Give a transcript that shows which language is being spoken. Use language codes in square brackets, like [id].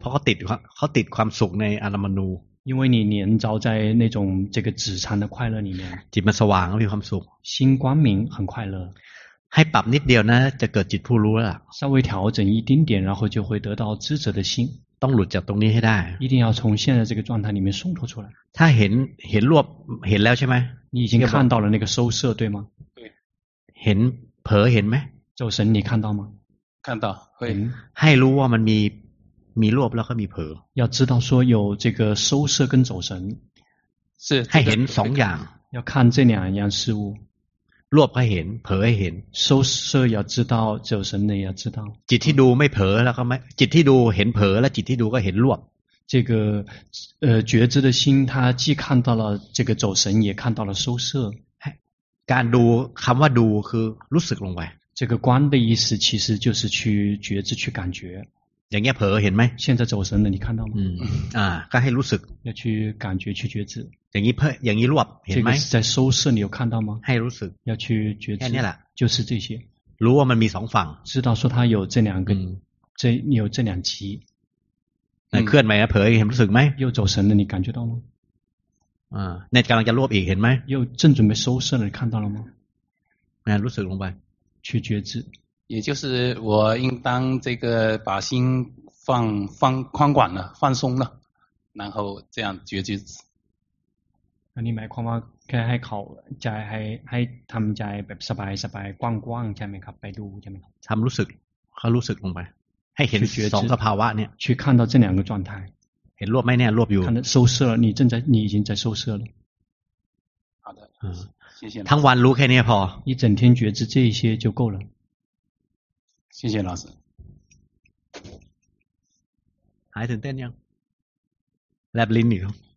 [th] เพราะเขาติดความสุขในอารมณ์ [zh] 因为你连着在那种这个纸缠的快乐里面 [th] จิตมันสว่างมีความสุข [zh] 心光明很快乐 [th] ให้ปรับนิดเดียวนะจะเกิดจิตผู้รู้ละ [zh] 稍微调整一丁点然后就会得到知者的心 [th] ต้องหลุดจากตรงนี้ให้ได้ [zh] 一定要从现在这个状态里面松脱出来 [th] ถ้าเห็นรวบเห็นแล้วใช่ไหม [zh] 你已经看到了那个收摄对吗 [th] เห็นเผลอเห็นไหม [zh] 走神你看到吗看到会 [th] ให้รู้ว่ามันมีรวบแล้วก็มีเผลอ [zh] 要知道说有这个收摄跟走神是 [th] ให้เห็นสองอย่าง [zh] 要看这两样事物 [th] รวบให้เห็นเผยให้เห็น [zh] 收摄要知道走神也要知道 [th] จิตที่ดูไม่เผยแล้วก็ไม่จิตที่ดูเห็นเผยแล้วจิตที่ดูก็เห็นรวบ [zh] 这个觉知的心它既看到了这个走神也看到了收摄 [th] การดูคำว่าดูคือรู้สึกลงไป [zh] 这个观的意思其实就是去觉知去感觉 [th] อย่างเงี้ยเผยเห็นไหม [zh] 现在走神了你看到吗 [th] ก็ให้รู้สึก [zh] 要去感觉去觉知 [th] อย่างนี้เพ่ออย่างนี้รวบเห็นไหม นี่ [zh] 在收摄你有看到吗 [th] ให้รู้สึก [zh] 要去觉知 [th] แค่นี้แหละ [zh] 就是这些 [th] รู้ว่ามันมีสองฝั่ง [zh] 知道说它有这两个这有这两极 [th] เคลื่อนไหมเผยเห็นรู้สึกไหม [zh] 又走神了你感觉到吗 [th] ในกำลังจะรวบอีกเห็นไหม [zh] 又正准备收摄了你看到了吗 [th] รู้สึกลงไป [zh] 去觉知也就是我应当这个把心放宽广了放松了然后这样觉知那你买框吗可以还考在还他们在แบบสบายสบาย逛逛下面ครับไปดูใช่มั้ย [th] ทํารู้สึกเขารู้สึกลงไปให้เห็น2สภาวะเนี่ย [zh] 去看到这两个状态 [th] เห็นรวบมั้ยเนี่ยรวบอยู่ [zh] 看到收摄了你已经在收摄了好的谢谢 [th] ทั้งวันรู้แค่นี้พอ [zh] 一整天觉知这一些就够了谢谢老师还等待呢 lab 林女哦